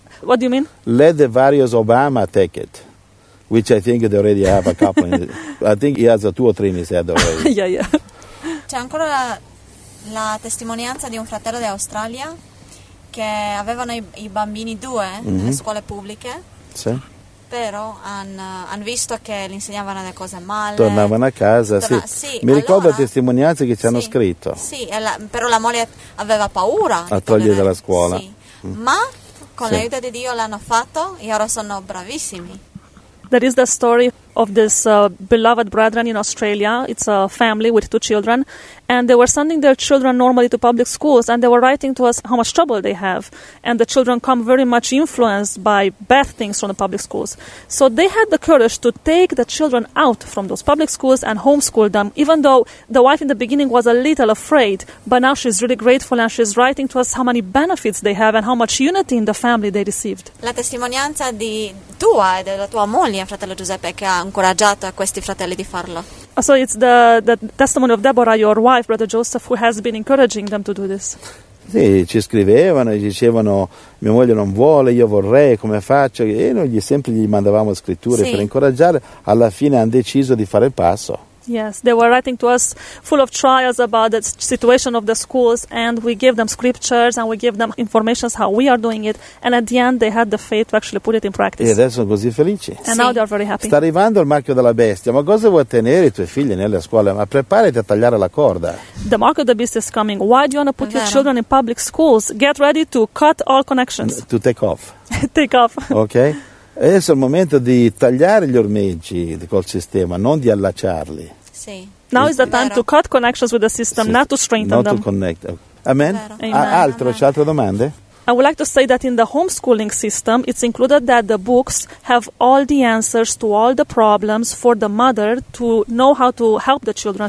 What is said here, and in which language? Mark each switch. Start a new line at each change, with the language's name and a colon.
English: What do you mean? Let the various Obama take it, which I think they already have a couple. I think he has a two or three in his head already. Yeah, yeah.
Italian: C'è ancora la testimonianza di un fratello d'Australia che avevano i bambini due nelle scuole pubbliche. Sì. Però hanno visto che li insegnavano le cose male. Tornavano a casa, sì. Mi ricordo la testimonianza che ci hanno scritto. Sì, però la moglie aveva paura. A togliere dalla scuola. Sì. Ma con l'aiuto di Dio l'hanno fatto e ora sono bravissimi.
English: There is the story of this beloved brethren in Australia. It's a family with two children, and they were sending their children normally to public schools, and they were writing to us how much trouble they have, and the children come very much influenced by bad things from the public schools. So they had the courage to take the children out from those public schools and homeschool them, even though the wife in the beginning was a little afraid, but now she's really grateful and she's writing to us how many benefits they have and how much unity in the family they received.
Italian: La testimonianza di tua e della tua moglie, fratello Giuseppe, che ha incoraggiato a questi fratelli di farlo.
English: So it's the testimony of Deborah, your wife, brother Joseph, who has been encouraging them to do this.
Italian: Sì, ci scrivevano e dicevano: mia moglie non vuole, io vorrei, come faccio? E noi gli mandavamo scritture per incoraggiare. Alla fine hanno deciso di fare il passo.
English: Yes, they were writing to us full of trials about the situation of the schools, and we gave them scriptures and we gave them information how we are doing it, and at the end they had the faith to actually put it in practice.
Italian: E adesso sono così felici.
English: And now they are very happy.
Italian: Sta arrivando il marchio della bestia, ma cosa vuoi tenere i tuoi figli nelle scuole? Ma preparati a tagliare la corda.
English: The mark of the beast is coming. Why do you want to put your children in public schools? Get ready to cut all connections. To take off. Take off. Okay.
Italian: Adesso è il momento di tagliare gli ormeggi col sistema, non di allacciarli. Sì.
English: Now is the time to cut connections with the system, not to strengthen them. Not to connect. Amen.
Italian: Altro, c'è altre domande?
English: I would like to say that in the homeschooling system, it's included that the books have all the answers to all the problems for the mother to know how to help the children.